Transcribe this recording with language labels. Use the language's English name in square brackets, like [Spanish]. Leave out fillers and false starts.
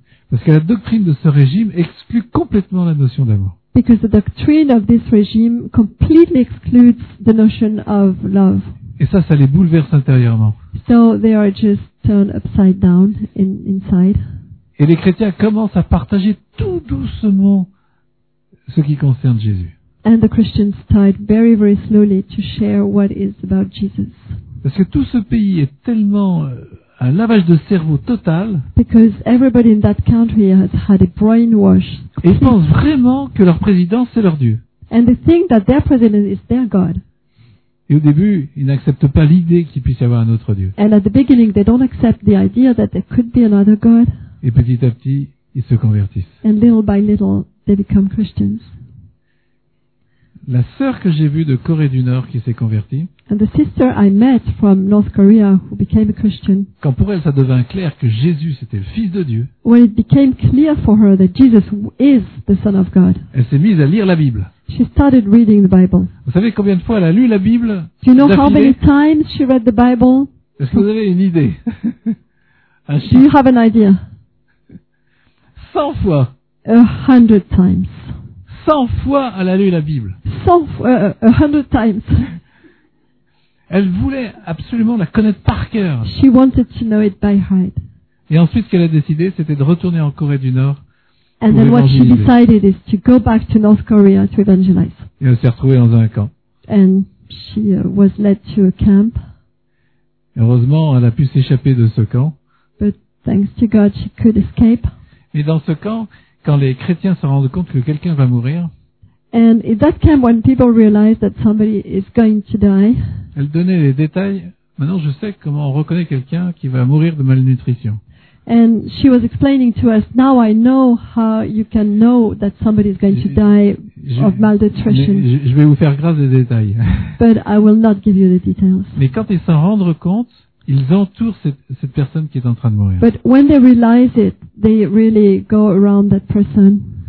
[French] Parce que la doctrine de ce régime exclut complètement la notion d'amour. [English] Because the doctrine of this regime completely excludes the notion of love. [French] Et ça les bouleverse intérieurement. [English] So they are just turned upside down inside. [French] Et les chrétiens commencent à partager tout doucement ce qui concerne Jésus. [English] And the Christians started very very slowly to share what is about Jesus. [French] Parce que tout ce pays est tellement un lavage de cerveau total. [English] Because everybody in that country has had a brainwash. [French] Et ils pensent vraiment que leur président c'est leur Dieu. [English] And they think that their president is their God. [French] Et au début, ils n'acceptent pas l'idée qu'il puisse y avoir un autre Dieu. [English] And at the beginning, they don't accept the idea that there could be another God. [French] Et petit à petit, ils se convertissent. [English] And little by little, they become Christians. [French] La sœur que j'ai vue de Corée du Nord qui s'est convertie. [English] And the sister I met from North Korea who became a Christian. [French] Quand pour elle ça devint clair que Jésus c'était le Fils de Dieu. [English] When it became clear for her that Jesus is the Son of God. [French] Elle s'est mise à lire la Bible. [English] She started reading the Bible. [French] Vous savez combien de fois elle a lu la Bible? [English] Do you know how many times she read the Bible? [French] Est-ce que vous avez une idée? Un chiffre. [English] Do you have an idea? [French] 100 fois. [English] 100 times. [French] 100 fois elle a lu la Bible. [English] 100 times. [French] Elle voulait absolument la connaître par cœur. [English] She wanted to know it by heart. [French] Et ensuite, ce qu'elle a décidé, c'était de retourner en Corée du Nord. [English] And [French] pour [English] then what she decided is to go back to North Korea to evangelize. [French] Et elle s'est retrouvée dans un camp. [English] And she was led to a camp. [French] Et heureusement, elle a pu s'échapper de ce camp. [English] But thanks to God, she could escape. [French] Mais dans ce camp, quand les chrétiens se rendent compte que quelqu'un va mourir, [English] And at that time, when people realized that somebody is going to die, [French] elle donnait les détails. Maintenant, je sais comment on reconnaît quelqu'un qui va mourir de malnutrition. [English] And she was explaining to us, now I know how you can know that somebody is going to die of malnutrition. [French] Je vais vous faire grâce des détails. [English] But I will not give you the details. [French] Mais quand ils s'en rendent compte, ils entourent cette personne qui est en train de mourir. [English] But when they realize it, they really go around that person.